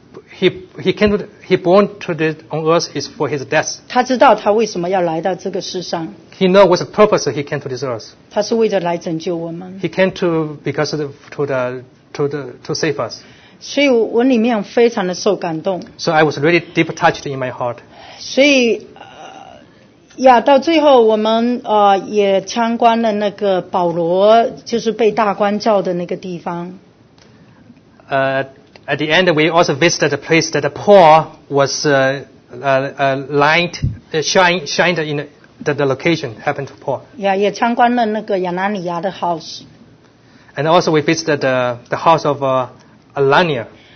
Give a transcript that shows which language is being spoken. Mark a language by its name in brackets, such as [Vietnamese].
[English] He born to the on earth is for his death. [Chinese] 他知道他为什么要来到这个世上。 [English] He know what's the purpose he came to this earth. [Chinese] 他是为着来拯救我们。 [English] He came to because of to save us. [Chinese] 所以我里面非常的受感动。 [English] So I was really deep touched in my heart. [Chinese] 所以呀，到最后我们也参观了那个保罗就是被大官叫的那个地方。 [English] At the end, we also visited the place that Paul was shined in the location happened to Paul. [Chinese] Yeah, 也参观了那个亚拿尼亚的 house. [English] And also we visited the house of Anania.